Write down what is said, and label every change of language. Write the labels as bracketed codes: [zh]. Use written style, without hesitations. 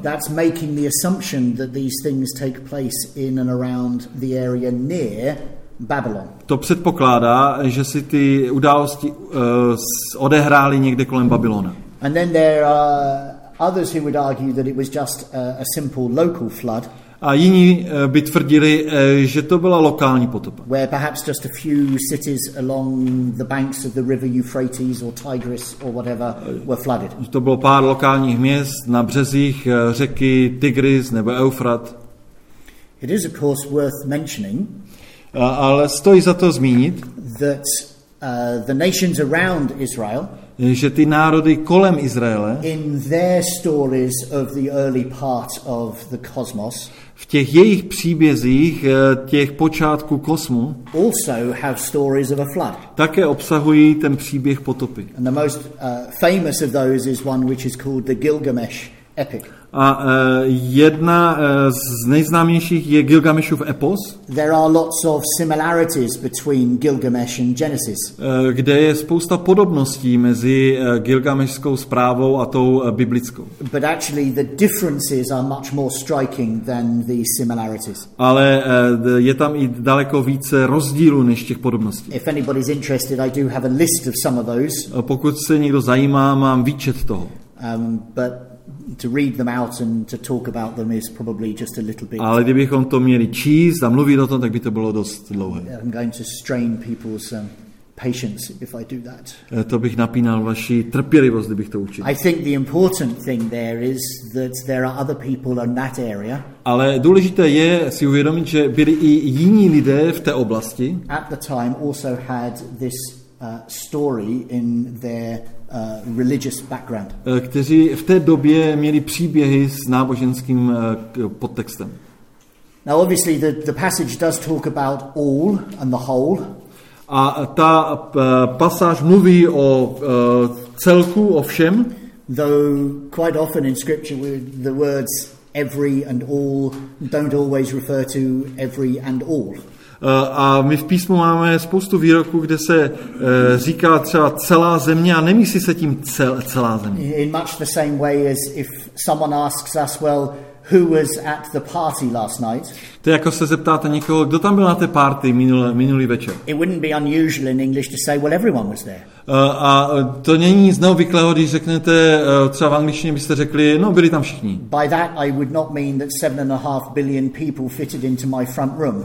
[en] That's making the assumption that these things take place in and around the area near Babylon. [cs] To předpokládá, že si ty události odehrály někde kolem Babylona. [en] And then there are others who would argue that it was just a simple local flood. [cs] A jiní by tvrdili, že to byla lokální potopa. [en] Where perhaps just a few cities along the banks of the river Euphrates or Tigris or whatever were flooded. [cs] To bylo pár lokálních měst na březích řeky Tigris nebo Eufrat. [en] It is of course worth mentioning. [cs] Ale stojí za to zmínit, [en] that the nations around Israel, [cs] že ty národy kolem Izraele, [en] in their stories of the early part of the cosmos, [cs] v těch jejich příbězích, těch počátků kosmu, [en] also have stories of a flood. [cs] Také obsahují ten příběh potopy. [en] And the most famous of those is one which is called the Gilgamesh epic. [cs] A jedna z nejznámějších je Gilgamešův epos. [en] There are lots of similarities between Gilgamesh and Genesis. [cs] Kde je spousta podobností mezi Gilgamešskou zprávou a tou biblickou. [en] But actually the differences are much more striking than the similarities. [cs] Ale je tam i daleko více rozdílů než těch podobností. [en] If anybody's interested, I do have a list of some of those. [cs] Pokud se někdo zajímá, mám výčet toho. [en] But to read them out and to talk about them is probably just a little bit. [cs] Ale kdybychom to měli číst a mluvit o tom, tak by to bylo dost dlouhé. [en] I'm going to strain people's patience if I do that. [cs] To bych napínal vaši trpělivost, kdybych to učil. [en] I think the important thing there is that there are other people in that area. [cs] Ale důležité je si uvědomit, že byli i jiní lidé v té oblasti. [en] At the time also had this story in their religious background. [cs] Kteří v té době měli příběhy s náboženským podtextem. [en] Now obviously the passage does talk about all and the whole. [cs] A ta pasáž mluví o celku, o všem. [en] Though quite often in scripture the words every and all don't always refer to every and all. [cs] A my v písmu máme spoustu výroků, kde se říká třeba celá země a nemyslí se tím celá země. [en] In much the same way as if someone asks us, well, who was at the party last night? [cs] To je jako se zeptáte někoho, kdo tam byl na té party minulý večer. [en] It wouldn't be unusual in English to say, well, everyone was there. [cs] A to není nic neobvyklého, když řeknete, třeba v angličtině byste řekli, no, byli tam všichni. [en] By that I would not mean that 7.5 billion people fitted into my front room.